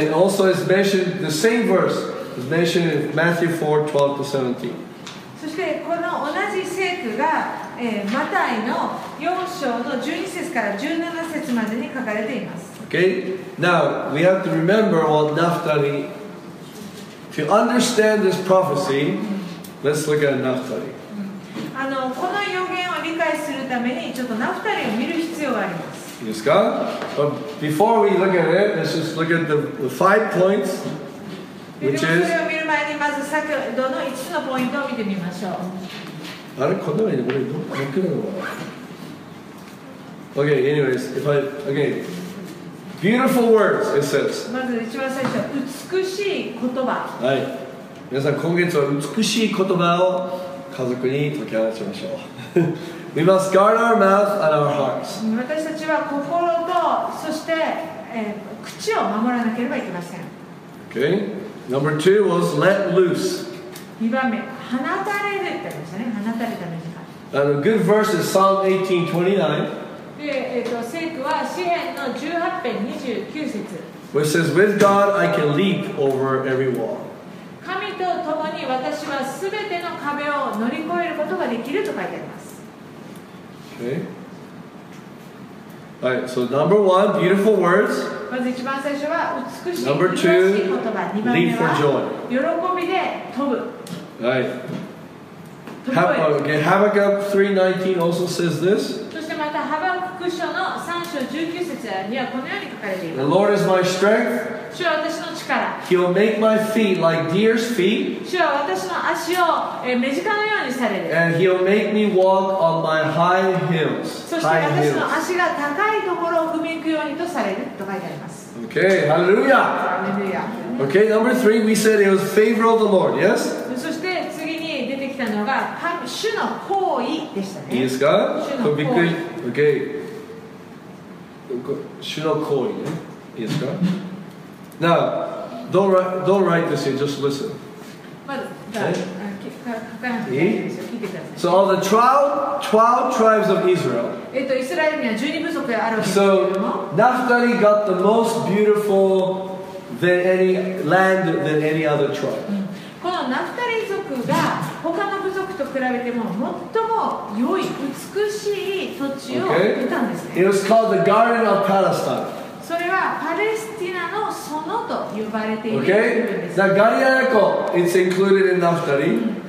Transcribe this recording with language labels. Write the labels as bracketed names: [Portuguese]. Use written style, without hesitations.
[English] And then it also is mentioned, the same verse is mentioned in Matthew 4, 12 to 17. [Japanese] そしてこの同じ聖句が、マタイの4章の12節から17節までに書かれています。 [English] Okay, now we have to remember what Naphtali. If you understand this prophecy, let's look at Naphtali. [Japanese] この予言を理解するためにちょっとナフタリを見る必要があります。いいですか。 [English] But before we look at it, let's just look at the five points, which is... [Japanese] それを見る前にまず先ほどの5つのポイントを見てみましょう。あれこんなのにこれどっか行くの。 [English] Okay, anyways, if I... Okay, beautiful words, it says. [Japanese] まず一番最初、美しい言葉。はい、皆さん今月は美しい言葉を家族に解き放ちましょう。 [English] We must guard our mouth and our hearts. [Japanese] 私たちは心とそして、口を守らなければいけません。 [English] Okay. Number two was let loose. [Japanese] 2番目、放たれるって言いましたね。放たれた目が。 [English] And a good verse is Psalm 18:29. [Japanese] で、聖句は詩篇の18編29節。 [English] Which says, with God I can leap over every wall. [Japanese] 神と共に私はすべての壁を乗り越えることができると書いてあります。 [English] Okay. All right, so number one, beautiful words. [Japanese] まず一番最初は美しい、 [English] number two, [Japanese] 言葉。 [English] Number two, leap for joy. [Japanese] 喜びで飛ぶ。 [English] Right. Habakkuk 3:19 also says this. [Japanese] そしてまたハバクク書の3章19節にはこのように書かれています。 [English] The Lord is my strength. [Japanese] 主は私の力。 [English] He'll make my feet like deer's feet. [Japanese] 主は私の足を目近のようにされる。 [English] And he'll make me walk on my high hills. [Japanese] そして私の足が高いところを踏み行くようにとされると書いてあります。 [English] Okay, hallelujah. Hallelujah. Okay, number three, we said it was favor of the Lord, yes? [Japanese] そして次に出てきたのが主の好意でしたね。いいですか？主の好意。 Okay. 主の好意ね。いいですか？ [English] Now, don't write this here, just listen. Okay? So all the 12 tribes of Israel. So Naphtali got the most beautiful than any land than any other tribe. [Japanese] このナフタリ族が他の部族と比べても最も良い美しい土地を得たんですね。 [English] It was called the Garden of Palestine. [Japanese] それはパレスティナの園と呼ばれている部分です。 [English] Okay. ガリラヤ湖、it's included in Naphtali.